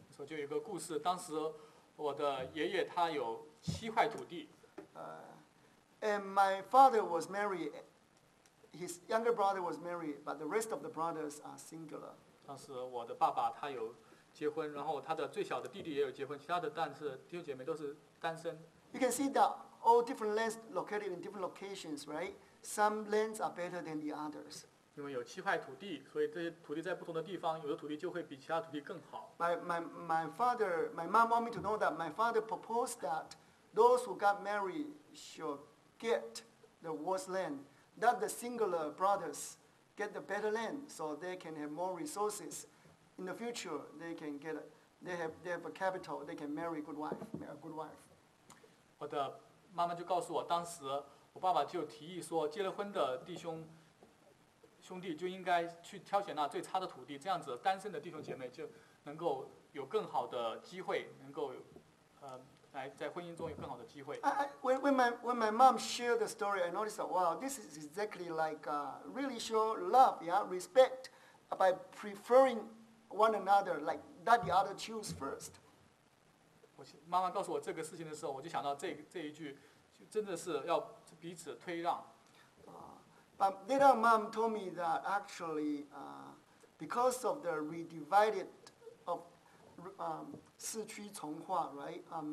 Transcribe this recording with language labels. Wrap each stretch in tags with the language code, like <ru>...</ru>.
<zh>So, 就有个故事，当时我的爷爷他有七块土地。</zh> <en>And my father was married. His younger brother was married, but the rest of the brothers are singular.</en> <zh>当时我的爸爸他有结婚，然后他的最小的弟弟也有结婚，其他的但是弟兄姐妹都是单身。</zh> <en>You can see that all different lands located in different locations, right? Some lands are better than the others.</en> <zh>因为有七块土地，所以这些土地在不同的地方，有的土地就会比其他土地更好。</zh> <en>My mom want me to know that my father proposed that those who got married should get the worst land, that the singular brothers get the better land, so they can have more resources. In the future, they can get, they have a capital, they can marry a good wife.</en> <zh>我的妈妈就告诉我，当时。我爸爸就提议说，结了婚的兄弟就应该去挑选那最差的土地，这样子单身的弟兄姐妹就能够有更好的机会，能够来在婚姻中有更好的机会。</zh> <en>When my mom shared the story, I noticed that wow, this is exactly like really show love, yeah, respect by preferring one another, like that the other choose first.</en> <zh>我妈妈告诉我这个事情的时候，我就想到这一句。真的是要彼此推让。</zh> <en>But later mom told me that actually, because of the redivided of,</en> <zh>四区重划</zh> <en>right?</en>